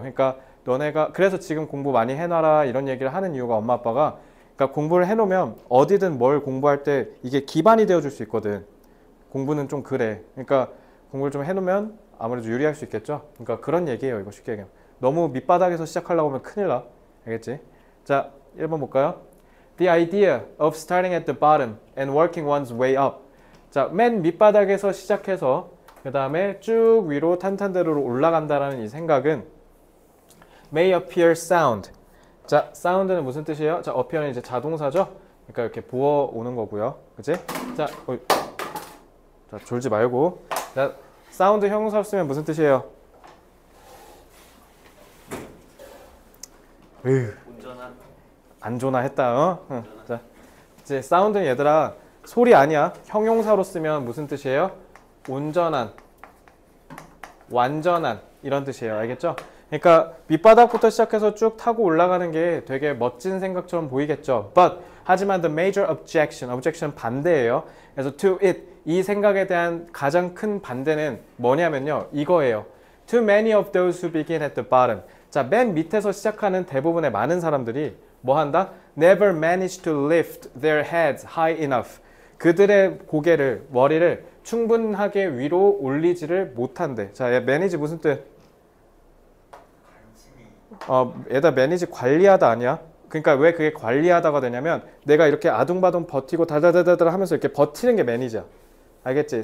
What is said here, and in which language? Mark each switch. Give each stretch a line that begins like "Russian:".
Korean: 그러니까 너네가 그래서 지금 공부 많이 해놔라 이런 얘기를 하는 이유가 엄마 아빠가 그러니까 공부를 해놓으면 어디든 뭘 공부할 때 이게 기반이 되어줄 수 있거든. 공부는 좀 그래. 그러니까 공부를 좀 해놓으면 아무래도 유리할 수 있겠죠. 그러니까 그런 얘기예요. 이거 쉽게 얘기하면 너무 밑바닥에서 시작하려고 하면 큰일 나. 알겠지? 자, 1번 볼까요?
English: The idea of starting at the bottom and working one's way up.
Korean: 자, 맨 밑바닥에서 시작해서 그 다음에 쭉 위로 탄탄대로 올라간다라는 이 생각은
English: may appear sound.
Korean: 자, sound는 무슨 뜻이에요? 자, appear는 이제 자동사죠? 그러니까 이렇게 부어 오는 거고요. 그치? 자, 자 졸지 말고. 자, sound 형용사 쓰면 무슨 뜻이에요? 운전한 안조나 했다. 어? 응. 자, 이제 사운드는 얘들아 소리 아니야. 형용사로 쓰면 무슨 뜻이에요? 운전한, 완전한 이런 뜻이에요. 알겠죠? 그러니까 밑바닥부터 시작해서 쭉 타고 올라가는 게 되게 멋진 생각처럼 보이겠죠.
English: But
Korean: 하지만
English: the major objection, objection
Korean: 반대예요. 그래서
English: to it
Korean: 이 생각에 대한 가장 큰 반대는 뭐냐면요, 이거예요.
English: Too many of those who begin at the bottom.
Korean: 자, 맨 밑에서 시작하는 대부분의 많은 사람들이 뭐 한다?
English: Never manage to lift their heads high enough.
Korean: 그들의 고개를, 머리를 충분하게 위로 올리지를 못한대. 자, 얘 manage 무슨 뜻? 얘다 manage 관리하다 아니야? 그러니까 왜 그게 관리하다가 되냐면 내가 이렇게 아둥바둥 버티고 다다다다다 하면서 이렇게 버티는 게 매니저야. 알겠지?